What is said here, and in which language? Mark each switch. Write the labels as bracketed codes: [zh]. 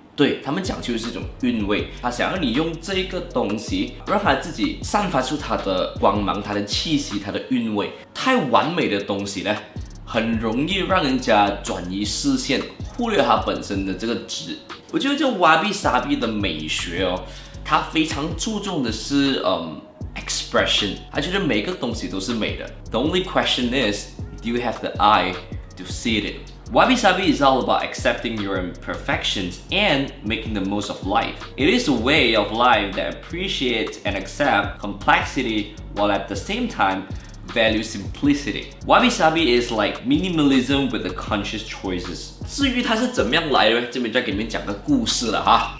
[zh] 对，他们讲究的是一种韵味，他想要你用这个东西让他自己散发出他的光芒、他的气息、他的韵味。太完美的东西呢，很容易让人家转移视线，忽略他本身的这个值。我觉得这 wabi sabi 的美学哦，他非常注重的是expression， 他觉得每个东西都是美的。 [en] The only question is， do you have the eye to see it？ Wabi Sabi is all about accepting your imperfections and making the most of life. It is a way of life that appreciates and accepts complexity while at the same time values simplicity. Wabi Sabi is like minimalism with the conscious choices. [zh] 至于它是怎么样来的，这边再给你们讲个故事了哈。